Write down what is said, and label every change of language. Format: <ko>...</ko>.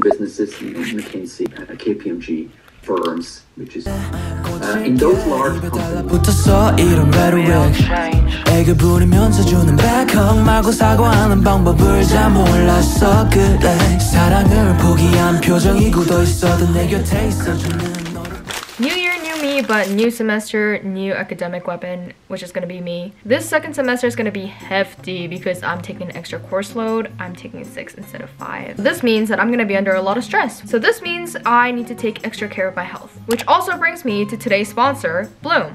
<en>Businesses, McKinsey, KPMG firms, which is in those large companies. Change.</en> <ko>부르면서 주는</ko> <en>back home</en> <ko>말고 사과하는 방법을 잘 몰랐어 그때 사랑을 포기한 표정이 굳어 있어도 내 곁에 있어주는</ko> <en>New year, new me, but new semester, new academic weapon, which is going to be me. This second semester is going to be hefty because I'm taking an extra course load. I'm taking 6 instead of 5. This means that I'm going to be under a lot of stress. So this means I need to take extra care of my health, which also brings me to today's sponsor, Bloom.</en>